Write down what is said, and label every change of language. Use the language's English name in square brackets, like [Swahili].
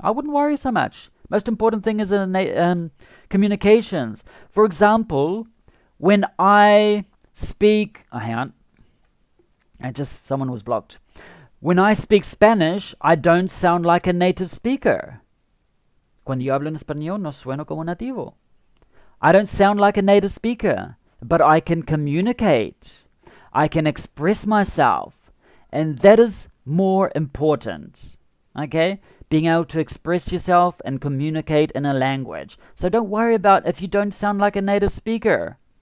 [English] I wouldn't worry so much. Most important thing is communications. For example, when I speak, oh, hang on, I just someone was blocked. When I speak Spanish, I don't sound like a native speaker. [Spanish] Cuando yo hablo en español, no sueno como nativo. [English] I don't sound like a native speaker, but I can communicate. I can express myself, and that is more important. Okay? Being able to express yourself and communicate in a language. So don't worry about if you don't sound like a native speaker.